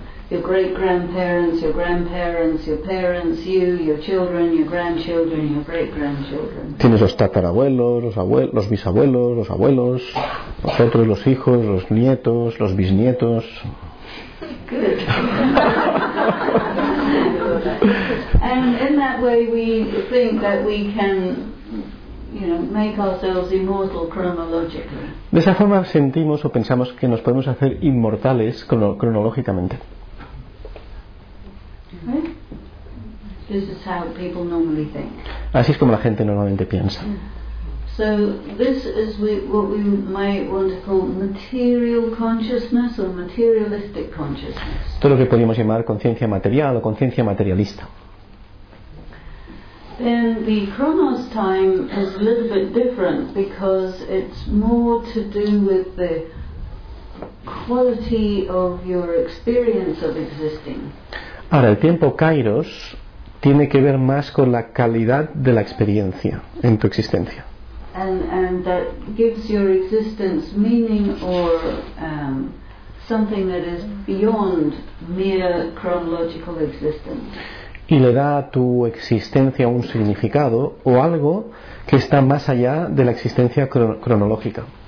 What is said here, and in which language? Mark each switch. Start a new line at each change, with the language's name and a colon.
English: Your great grandparents, your grandparents, your parents, you, your children, your grandchildren, your great grandchildren.
Spanish: Tienes los tatarabuelos, los abuelos, los bisabuelos, los abuelos, los otros, los hijos, los nietos, los bisnietos.
English: Good. And in that way, we think that we can, make ourselves immortal chronologically.
Spanish: De esa forma sentimos o pensamos que nos podemos hacer inmortales cronológicamente.
English: This is how people normally think.
Spanish: Así es como la gente normalmente piensa.
English: So this is what we might want to call material consciousness or materialistic consciousness.
Spanish: Todo lo que podríamos llamar conciencia material o conciencia materialista.
English: Then the chronos time is a little bit different because it's more to do with the quality of your experience of existing.
Spanish: Ahora, el tiempo Kairos tiene que ver más con la calidad de la experiencia en tu existencia.
English: And that gives your existence meaning or something that is beyond mere chronological existence.
Spanish: Y le da a tu existencia un significado o algo que está más allá de la existencia cronológica.